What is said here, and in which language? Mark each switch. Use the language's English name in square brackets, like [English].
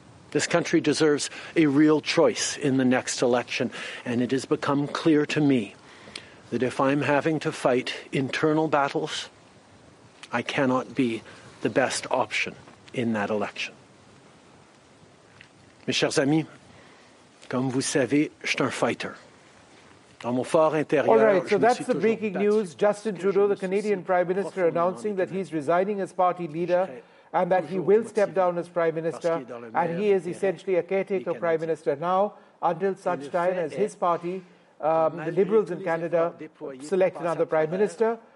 [English] This country deserves a real choice in the next election, and it has become clear to me that if I'm having to fight internal battles, I cannot be the best option in that election. [French] Mes chers amis, comme vous savez, je suis un fighter. Dans mon fort intérieur, [English] all right, so that's the breaking news. Justin Trudeau, the Canadian Prime Minister, announcing that he's resigning as party leader and that he will step down as Prime Minister. And he is essentially a caretaker Prime Minister now until such time as his party, the Liberals in Canada, select another Prime Minister.